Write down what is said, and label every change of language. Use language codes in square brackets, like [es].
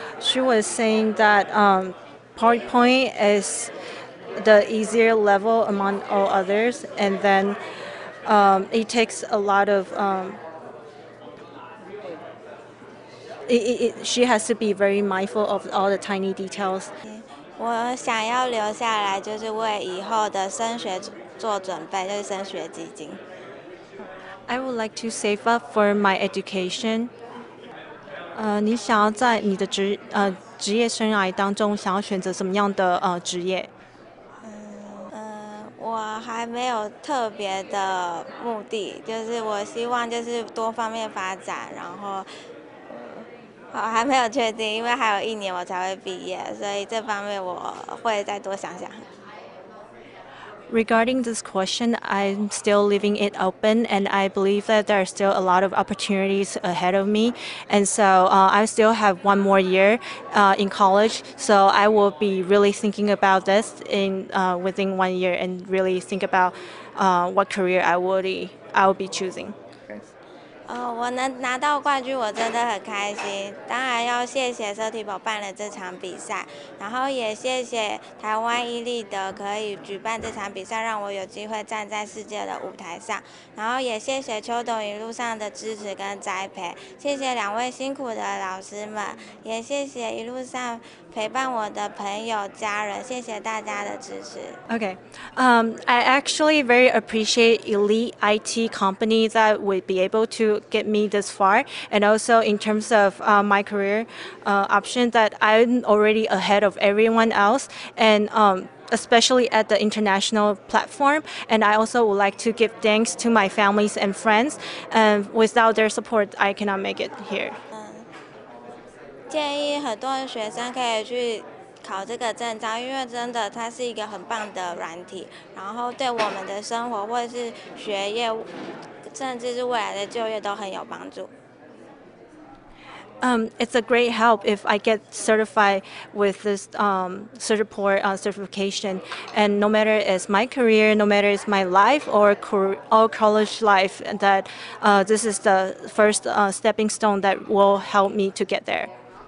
[en] She was saying that PowerPoint is the easier level among all others, and then it takes a lot of she has to be very mindful of all the tiny details. [zh] 我想要留下来，就是为以后的升学做准备，就是升学基金。 [en] I would like to save up for my education. [zh] 你想要在你的职业生涯当中，想要选择什么样的职业？我还没有特别的目的，就是我希望就是多方面发展，然后。我还没有确定，因为还有一年我才会毕业，所以这方面我会再多想想。 [en] Regarding this question, I'm still leaving it open, and I believe that there are still a lot of opportunities ahead of me. And so I still have one more year in college, so I will be really thinking about this in within one year and really think about what career I will be choosing. [zh] 我能拿到冠军，我真的很开心。当然要谢谢 Certiport 办了这场比赛，然后也谢谢台湾伊利德可以举办这场比赛，让我有机会站在世界的舞台上。然后也谢谢邱董一路上的支持跟栽培，谢谢两位辛苦的老师们，也谢谢一路上陪伴我的朋友家人，谢谢大家的支持。 [en] Okay, I actually very appreciate Elite IT Company that would be able to get me this far, and also in terms of my career option that I'm already ahead of everyone else, and especially at the international platform. And I also would like to give thanks to my families and friends. And without their support, I cannot make it here. [zh] 建议很多学生可以去考这个证照，因为真的它是一个很棒的软体，然后对我们的生活或是学业，甚至是未来的就业都很有帮助。 [en] It's a great help if I get certified with this Certiport certification. And no matter it's my career, no matter it's my life or college life, that this is the first stepping stone that will help me to get there.